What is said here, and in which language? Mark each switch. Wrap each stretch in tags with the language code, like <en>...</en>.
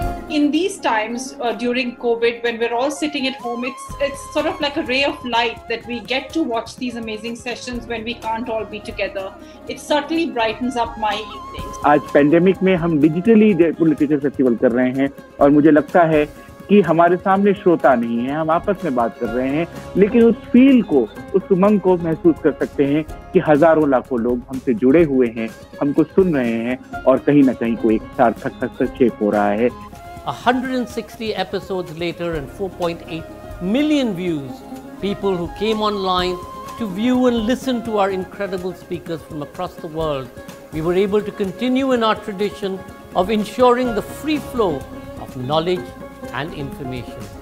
<en>In these times during COVID, when we're all sitting at home, it's sort of like a ray of light that we get to watch these amazing sessions when we can't all be together. It certainly brightens up my evenings.</en> <hi>आज pandemic में हम digitally Jaipur Literature Festival कर रहे हैं और मुझे लगता है कि हमारे सामने श्रोता नहीं है, हम आपस में बात कर रहे हैं, लेकिन उस फील को, उस उमंग को महसूस कर सकते हैं कि हजारों लाखों लोग हमसे जुड़े हुए हैं, हमको सुन रहे हैं और कहीं ना कहीं कोई एक सार्थक हस्तक्षेप हो रहा है.</hi> <en>160 episodes later and 4.8 million views, people who came online to view and listen to our incredible speakers from across the world, we were able to continue in our tradition of ensuring the free flow of knowledge and information.</en>